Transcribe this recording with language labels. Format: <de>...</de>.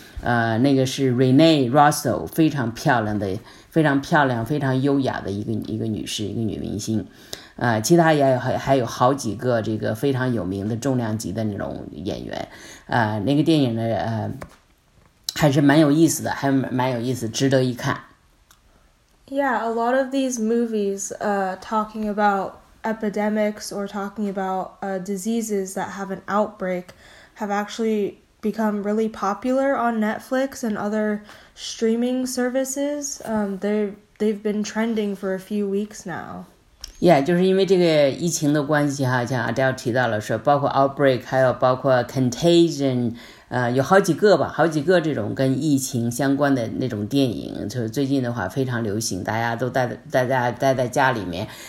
<zh>那个是 Renee Russell， 非常漂亮的，非常漂亮，非常优雅的一个女士，一个女明星。其他也还有好几个这个非常有名的重量级的那种演员。那个电影呢，还是蛮有意思的，还蛮有意思，值得一看。</zh> <en>Yeah, a lot of these movies, talking about epidemics or talking about diseases that have an outbreak, have actually become really popular on Netflix and other streaming services. They've been trending for a few weeks now.</en> <zh>Yeah, 就是因为这个疫情的关系哈，像 Adele 提到了说，包括 outbreak， 还有包括 contagion， 有好几个吧，好几个这种跟疫情相关的那种电影，就是最近的话非常流行，大家都待在家里面，</zh>